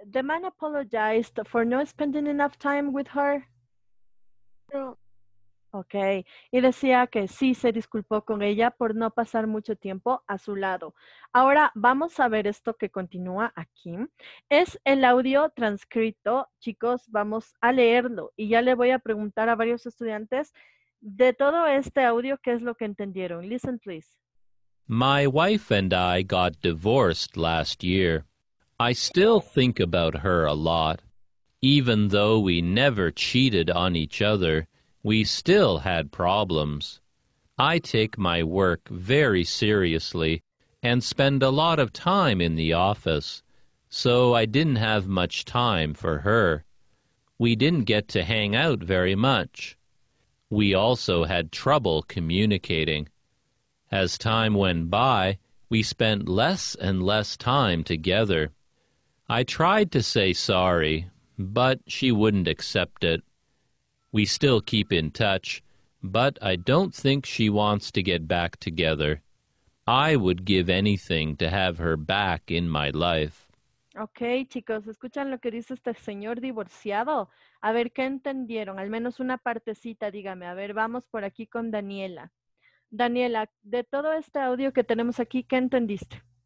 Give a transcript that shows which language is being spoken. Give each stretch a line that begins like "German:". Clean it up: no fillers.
English: The man apologized for not spending enough time with her. No. Okay.
Spanish: Y decía que sí se disculpó con ella por no pasar mucho tiempo a su lado. Ahora vamos a ver esto que continúa aquí. Es el audio transcrito. Chicos, vamos a leerlo. Y ya le voy a preguntar a varios estudiantes de todo este audio, ¿qué es lo que entendieron?
English: Listen, please. My wife and I got divorced last year. I still think about her a lot. Even though we never cheated on each other, we still had problems. I take my work very seriously and spend a lot of time in the office, so I didn't have much time for her. We didn't get to hang out very much. We also had trouble communicating. As time went by, we spent less and less time together. I tried to say sorry, but she wouldn't accept it. We still keep in touch, but I don't think she wants to get back together. I would give anything to have her back in my life.
Spanish: Okay, chicos, ¿escuchan lo que dice este señor divorciado? A ver, ¿qué entendieron? Al menos una partecita, dígame. A ver, vamos por aquí con Daniela. Daniela, de todo este audio que tenemos aquí, ¿qué entendiste?